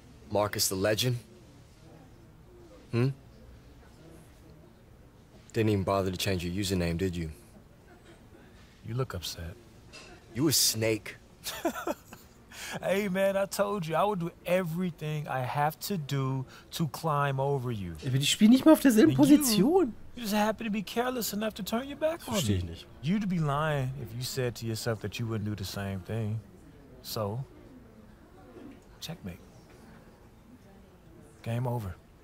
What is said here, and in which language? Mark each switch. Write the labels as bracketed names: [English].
[English] Marcus the legend? Hm? Didn't even bother to change your username, did you? You look upset. You a snake. Hey, man, I told you, I would do everything I have to do to climb over you. [German] Aber die spielen nicht mal auf derselben Position. [English] You just happen to be careless enough to turn your back on me. [German] Verstehe ich nicht. [English] You'd be lying if you said to yourself that you wouldn't do the same thing. So, checkmate. Game over.